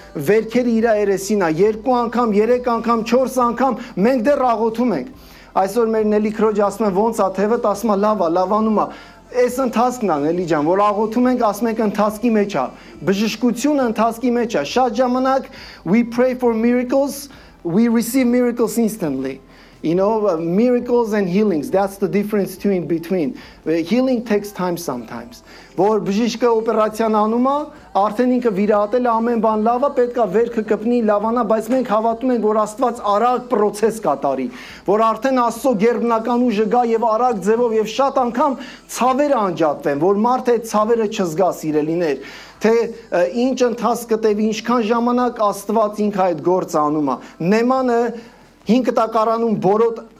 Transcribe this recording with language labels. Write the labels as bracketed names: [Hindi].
[Armenian] վերքերը իր երեսին է, 2 անգամ, 3 անգամ, 4 անգամ, մենք դեռ աղոթում ենք։ Այսօր մեր Նելի Քրոջ ասում է, ոնց է թևը, ասում է, լավ է, լավանում է։ Այս ընթացքն է, Նելի ջան, որ աղոթում ենք, ասում ենք ընթացքի մեջ է, բժշկությունը ընթացքի մեջ է։ Շատ ժամանակ [English] we pray for miracles, we receive miracles instantly. You know, miracles and healings, that's the difference between Healing takes time sometimes. [Armenian] Որ բժիշկը օպերացիան անում է, արդեն ինքը վիրահատել է, ամեն բան լավ է, պետք է վերքը կպնի, լավանա, բայց մենք հավատում ենք, որ Աստված արագ process կատարի, որ արդեն Աստծո գերբնական ուժը գա եւ արագ ձևով, եւ շատ անգամ ցավերը անջատեն, որ մարդը այդ ցավերը չզգա, սիրելիներ, թե ինչ ընթաց կտեվի, ինչքան ժամանակ Աստված ինքը այդ գործ անում է։ Նեմանը 5 տակարանում բորոտ